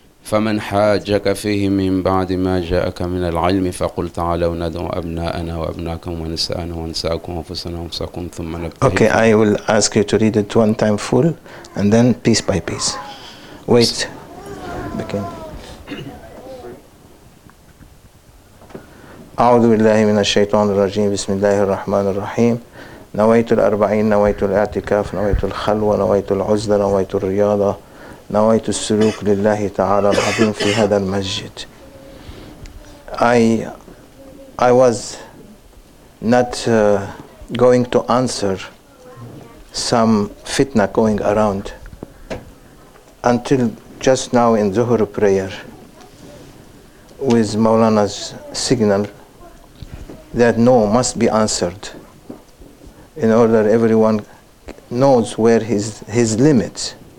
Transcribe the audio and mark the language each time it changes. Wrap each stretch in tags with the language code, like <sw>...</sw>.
<ar>فمن حاجك فيه من بعد ما جاءك من العلم فقل تعالوا ندعو أبناءنا وأبناءكم ونساءنا ونساءكم وأنفسنا وأنفسكم ثم نبتهل.</ar> <en>Okay, I will ask you to read it one time full and then piece by piece. Wait. Begin.</en> <ar>أعوذ بالله من الشيطان الرجيم بسم الله الرحمن الرحيم نويت الأربعين نويت الاعتكاف نويت الخلوة نويت العزلة نويت الرياضة نويت السلوك لله تعالى العظيم في هذا المسجد.</ar> <en>I was not going to answer some fitna going around until just now in Zuhr prayer with Maulana's signal that no must be answered in order everyone knows where his limits.</en>